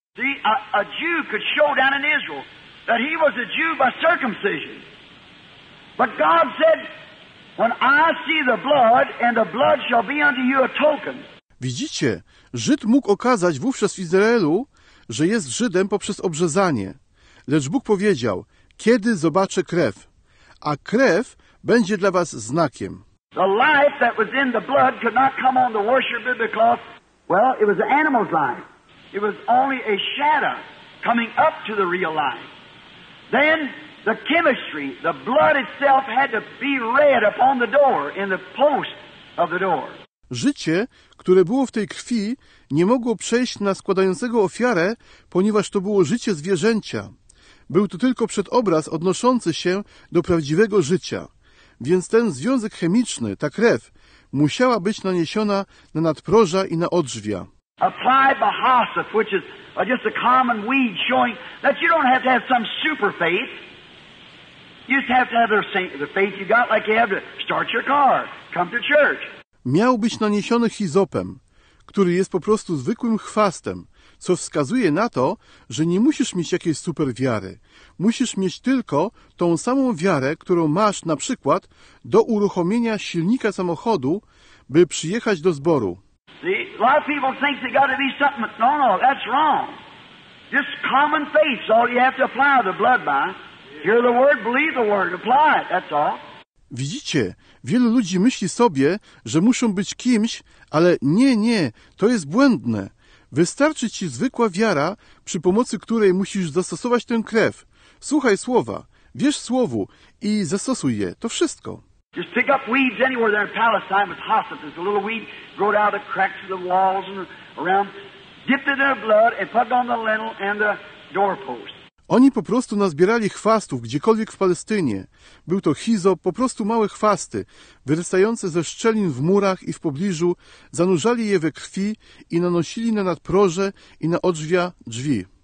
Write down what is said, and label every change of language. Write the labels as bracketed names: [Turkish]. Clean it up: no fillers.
[English] See, a Jew could show down in Israel that he was a Jew by circumcision. But God said, when I see the blood, and the blood shall be unto you a token. [Polish] Widzicie, Żyd mógł okazać wówczas w Izraelu, że jest Żydem poprzez obrzezanie. Lecz Bóg powiedział, kiedy zobaczę krew, a krew będzie dla was znakiem. [English] The life that was in the blood could not come on the worshiper because, well, it was the animal's life. It was only a shadow coming up to the real life. Then the chemistry, the blood itself had to be read upon the door, in the post of the door. [Polish] Życie, które było w tej krwi, nie mogło przejść na składającego ofiarę, ponieważ to było życie zwierzęcia. Był to tylko przedobraz odnoszący się do prawdziwego życia. Więc ten związek chemiczny, ta krew, musiała być naniesiona na nadproża i na odrzwia. [English] Apply Bahasa, which is just a common weed, showing that you don't have to have some super faith. You just have to have the faith you got, like you have to start your car, come to church. [Polish] Miał być naniesiony hizopem, który jest po prostu zwykłym chwastem, co wskazuje na to, że nie musisz mieć jakiejś super wiary. Musisz mieć tylko tą samą wiarę, którą masz na przykład do uruchomienia silnika samochodu, by przyjechać do zboru. [English] See, a lot of people think they got to be something. No, no, that's wrong. Just common faith is all you have to apply the blood by. Hear the word, believe the word, apply it, that's all. [Polish] Widzicie, wielu ludzi myśli sobie, że muszą być kimś, ale nie, nie, to jest błędne. Wystarczy ci zwykła wiara, przy pomocy której musisz zastosować tę krew. Słuchaj słowa, wierz słowu i zastosuj je, to wszystko. [English] Just pick up weeds anywhere there in Palestine with hyssop. There's a little weed growed out of the cracks of the walls and around. Dip it in their blood and put it on the lintel and the doorpost. [Polish] Oni po prostu nazbierali chwastów gdziekolwiek w Palestynie. Był to hizop, po prostu małe chwasty, wyrastające ze szczelin w murach i w pobliżu, zanurzali je we krwi i nanosili na nadproże i na odrzwia drzwi.